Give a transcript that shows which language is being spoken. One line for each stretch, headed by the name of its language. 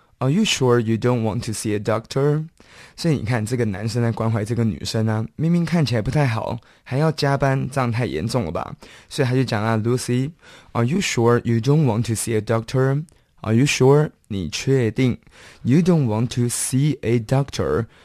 English: Are you sure you don't want to see a doctor?
Chinese: 所以你看这个男生在关怀这个女生啊，明明看起来不太好，还要加班，这样太严重了吧？所以他就讲啊
English: ,Lucy, are you sure you don't want to see a doctor? Are you sure?
Chinese: 你确定
English: ?You don't want to see a doctor?